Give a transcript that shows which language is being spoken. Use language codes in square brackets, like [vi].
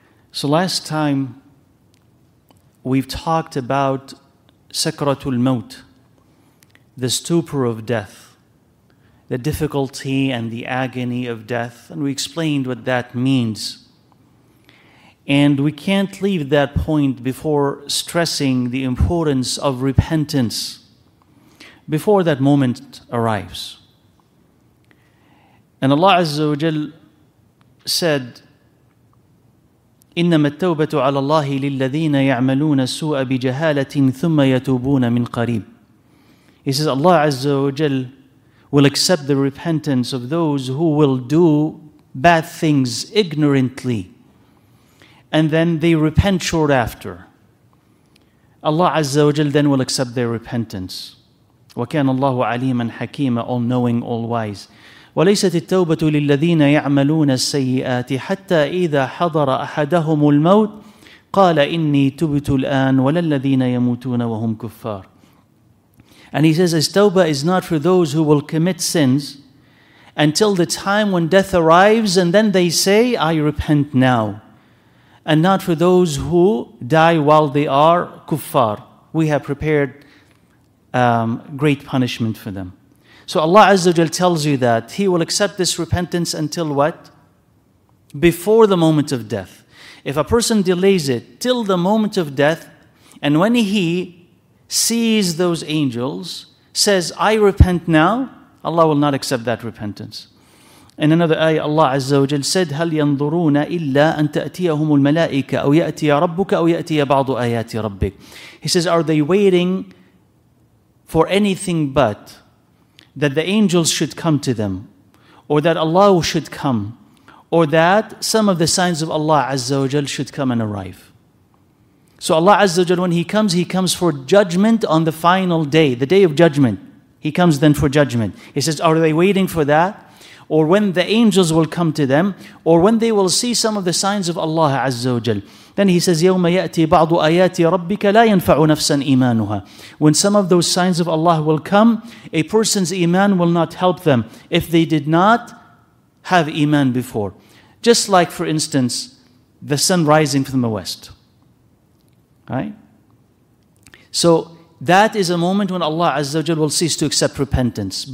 [en] So last time we've talked about sakratul maut, the stupor of death, the difficulty and the agony of death, and we explained what that means. And we can't leave that point before stressing the importance of repentance before that moment arrives. And Allah Azza wa Jal said, [ar] إِنَّمَا التَّوْبَةُ عَلَى اللَّهِ لِلَّذِينَ يَعْمَلُونَ السُّوءَ بِجَهَالَةٍ ثُمَّ يَتُوبُونَ مِنْ قَرِيبٍ. [en] He says, Allah Azza wa Jal will accept the repentance of those who will do bad things ignorantly, and then they repent short after. Allah Azza wa Jal then will accept their repentance. [ar] وَكَانَ اللَّهُ عَلِيمًا حَكِيمًا, [en] all-knowing, all-wise. [ar] وَلَيْسَتِ التَّوْبَةُ لِلَّذِينَ يَعْمَلُونَ السَّيِّئَاتِ حَتَّى إِذَا حَضَرَ أَحَدَهُمُ الْمَوْتِ قَالَ إِنِّي تُبْتُ الْآنَ وَلَا الَّذِينَ يَمُوتُونَ وَهُمْ كُفَّارٌ. [en] And he says, his tawbah is not for those who will commit sins until the time when death arrives, and then they say, I repent now. And not for those who die while they are kuffar. We have prepared great punishment for them. So Allah Azza wa Jal tells you that He will accept this repentance until what? Before the moment of death. If a person delays it till the moment of death, and when he sees those angels, says, I repent now, Allah will not accept that repentance. In another ayah, Allah Azza wa Jal said, [ar] هَلْ يَنْظُرُونَ إِلَّا أَن تَأْتِيَهُمُ الْمَلَائِكَ أَوْ يَأْتِيَ رَبُّكَ أَوْ يَأْتِيَ بَعْضُ آيَاتِ رَبِّكَ. [en] He says, are they waiting for anything but that the angels should come to them, or that Allah should come, or that some of the signs of Allah Azza wa Jal should come and arrive? So Allah Azza wa Jal, when He comes for judgment on the final day, the day of judgment. He comes then for judgment. He says, are they waiting for that? Or when the angels will come to them, or when they will see some of the signs of Allah Azza wa Jal. Then he says, [ar] يَوْمَ يَأْتِي بَعْضُ آيَاتِ رَبِّكَ لَا يَنْفَعُ نَفْسًا إِيمَانُهَا. [en] When some of those signs of Allah will come, a person's iman will not help them if they did not have iman before. Just like, for instance, the sun rising from the west. Right? So that is a moment when Allah Azza wa Jal will cease to accept repentance.